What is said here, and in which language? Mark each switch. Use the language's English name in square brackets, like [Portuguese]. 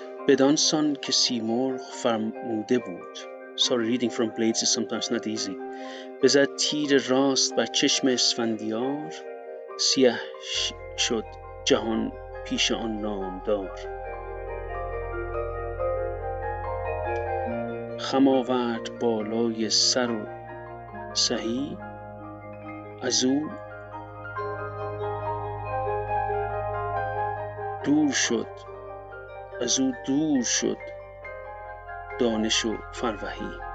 [Persian] بدانسان که سیمرغ فرموده بود. [English] Sorry, reading from blades is sometimes not easy. [Persian] بزد تیر راست بر چشم اسفندیار، سیاه شد جهان پیش آن نامدار. خم آورد بالای سر و سهی از او دور شد، از او دور شد دانش و فروهی.